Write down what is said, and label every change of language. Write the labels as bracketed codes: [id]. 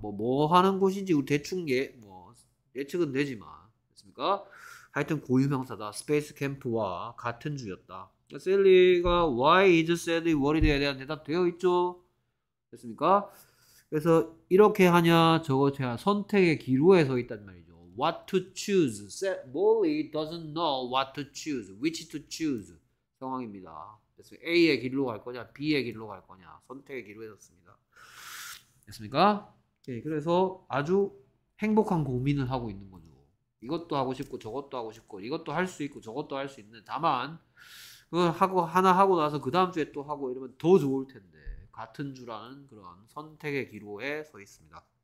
[ko] 뭐 하는 곳인지 대충 예측은 되지만. 됐습니까? 하여튼 고유명사다. 스페이스 캠프와 같은 주였다. 셀리가 [en] Why is Sally worried [ko] 에 대한 대답 되어 있죠? 됐습니까? 그래서 이렇게 하냐 저거 제가 선택의 기로에 서 있단 말이죠. [en] What to choose? Molly doesn't know what to choose, which to choose [ko] 상황입니다. 그래서 A의 길로 갈 거냐, B의 길로 갈 거냐 선택의 기로에 섰습니다. 됐습니까? 네, 그래서 아주 행복한 고민을 하고 있는 거죠. 이것도 하고 싶고 저것도 하고 싶고 이것도 할수 있고 저것도 할수 있는, 다만 그 하고 하나 하고 나서 그 다음 주에 또 하고 이러면 더 좋을 텐데, 같은 주라는 그런 선택의 기로에 서 있습니다.